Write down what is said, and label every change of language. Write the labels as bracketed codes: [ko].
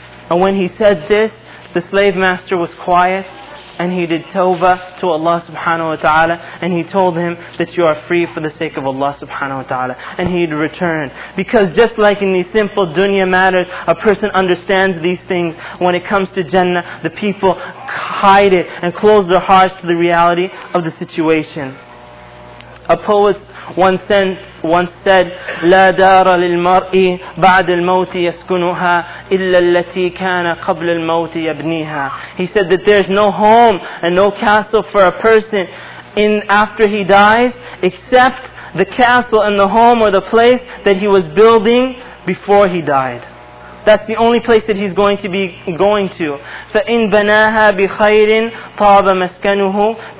[en] And when he said this, the slave master was quiet and he did tawbah to Allah subhanahu wa ta'ala and he told him that you are free for the sake of Allah subhanahu wa ta'ala. And he'd return. Because just like in these simple dunya matters, a person understands these things. When it comes to Jannah, the people hide it and close their hearts to the reality of the situation. A poet once said, [ar] لا دار للمرء بعد الموت يسكنها إلا التي كان قبل الموت يبنيها. [en] He said that there's no home and no castle for a person in after he dies except the castle and the home or the place that he was building before he died. That's the only place that he's going to be going to. [ar] فَإِن بَنَاهَا بِخَيْرٍ طَابَ مَسْكَنُهُ.